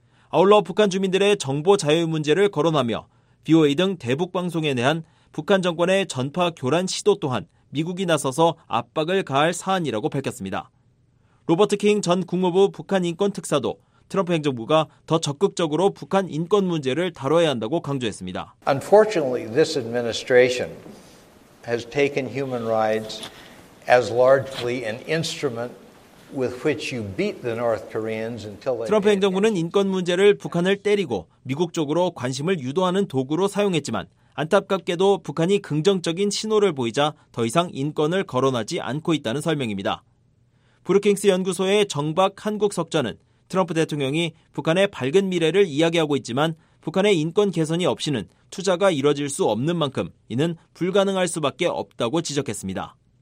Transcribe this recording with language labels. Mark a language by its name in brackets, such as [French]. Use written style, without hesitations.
[Korean] 아울러 북한 주민들의 정보 자유 문제를 거론하며 VOA 등 대북 방송에 대한 북한 정권의 전파 교란 시도 또한 미국이 나서서 압박을 가할 사안이라고 밝혔습니다. 로버트 킹 전 국무부 북한 인권 특사도 트럼프 행정부가 더 적극적으로 북한 인권 문제를 다뤄야 한다고 강조했습니다. [English] Unfortunately, this administration has taken human rights as largely an instrument with which you beat the North Koreans until they. [Korean] 트럼프 행정부는 인권 문제를 북한을 때리고 미국 쪽으로 관심을 유도하는 도구로 사용했지만 안타깝게도 북한이 긍정적인 신호를 보이자 더 이상 인권을 거론하지 않고 있다는 설명입니다. 브루킹스 연구소의 정박 한국 석좌는 트럼프 대통령이 북한의 밝은 미래를 이야기하고 있지만 북한의 인권 개선이 없이는 투자가 이뤄질 수 없는 만큼 이는 불가능할 수밖에 없다고 지적했습니다.